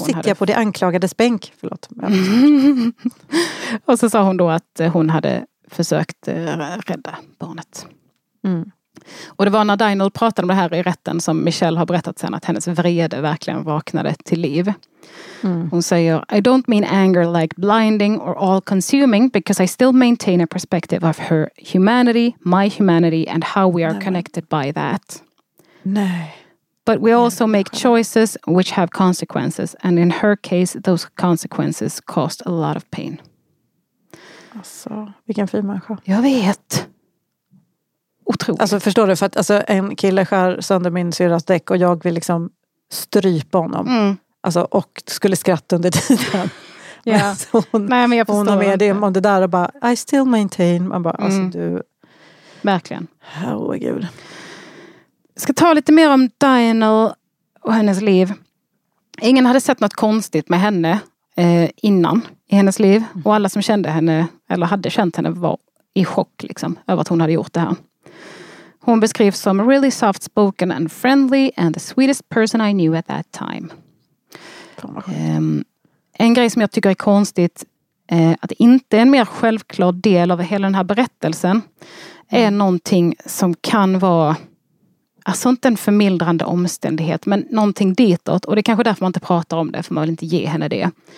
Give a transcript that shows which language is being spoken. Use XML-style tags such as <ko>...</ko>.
<sv>sitter jag på det anklagades bänk. Förlåt. Och så sa hon då att hon hade försökt rädda barnet. Mm. Och det var när Dinell pratade om det här i rätten som Michelle har berättat sen att hennes vrede verkligen vaknade till liv. Mm. Hon säger,</sv> <en>I don't mean anger like blinding or all consuming because I still maintain a perspective of her humanity, my humanity and how we are connected by that.</en> <sv>Nej.</sv> <en>But we also make choices which have consequences. And in her case, those consequences cost a lot of pain.</en> <sv>Alltså, vilken fin människa. Jag vet. Otroligt. Alltså, förstår du? För att alltså, en kille skär sönder min syras däck och jag vill liksom strypa honom. Mm. Alltså, och skulle skratta under tiden. Ja. Yeah. Nej, men jag förstår. Hon har med det om det där och bara,</sv> <en>I still maintain.</en> <sv>Man bara, alltså du. Verkligen. Herregud. Jag ska ta lite mer om Dinell och hennes liv. Ingen hade sett något konstigt med henne innan i hennes liv. Och alla som kände henne, eller hade känt henne, var i chock liksom, över att hon hade gjort det här. Hon beskrivs som</sv> <en>really soft-spoken and friendly and the sweetest person I knew at that time.</en> <sv>En grej som jag tycker är konstigt att det inte är en mer självklar del av hela den här berättelsen är någonting som kan vara, alltså inte en förmildrande omständighet, men någonting ditåt. Och det är kanske därför man inte pratar om det, för man vill inte ge henne det.</sv>